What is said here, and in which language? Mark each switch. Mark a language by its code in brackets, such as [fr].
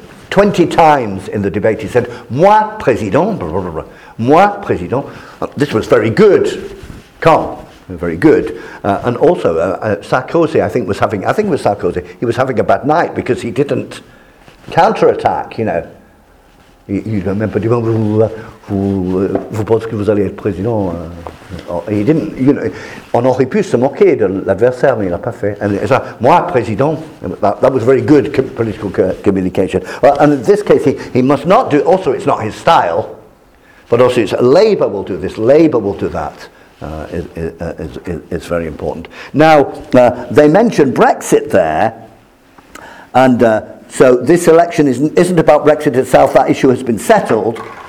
[en] 20 times in the debate he said, [fr] moi, président, [en] blah, blah, blah, moi, président. This was very good, calm, very good. And also, Sarkozy, I think it was Sarkozy, he was having a bad night because he didn't counterattack, you know. [fr] Il n'a même pas dit, vous pensez que vous allez être président. Il [en] didn't, you know, [fr] on aurait pu se moquer de l'adversaire, mais il n'a pas fait. [en] And so, [fr] moi, président, [en] that was very good political communication. Well, and in this case, he must not do, also it's not his style, but also it's Labour will do this, Labour will do that. It's very important. Now, they mentioned Brexit there, and so this election isn't about Brexit itself, that issue has been settled.